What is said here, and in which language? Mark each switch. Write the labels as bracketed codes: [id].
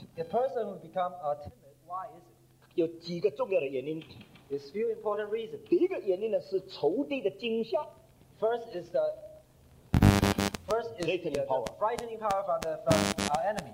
[en] The person who becomes timid, why is it? [zh] 有几个重要的原因。 [en] There's few important reasons. [zh] 第一个原因呢，是仇敌的惊吓。 [en] First is the frightening power from our enemy.